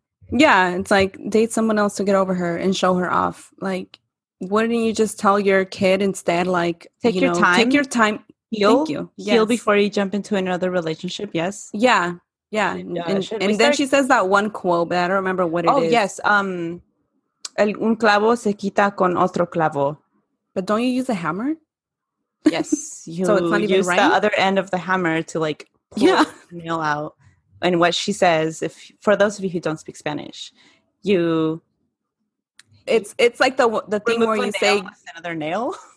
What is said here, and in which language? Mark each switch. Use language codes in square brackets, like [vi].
[en] Yeah, it's like, date someone else to get over her and show her off. Like, wouldn't you just tell your kid instead, like, take your time. Heal. Thank you. Yes. Heal before you jump into another relationship, yes? Yeah. And then she says that one quote, but I don't remember what it is. Oh, yes. [es] Un clavo se quita con otro clavo. [en] But don't you use a hammer? Yes, you so it's not even use right? the other end of the hammer to like pull the nail out. And what she says, if for those of you who don't speak Spanish, it's like the thing where you say another nail.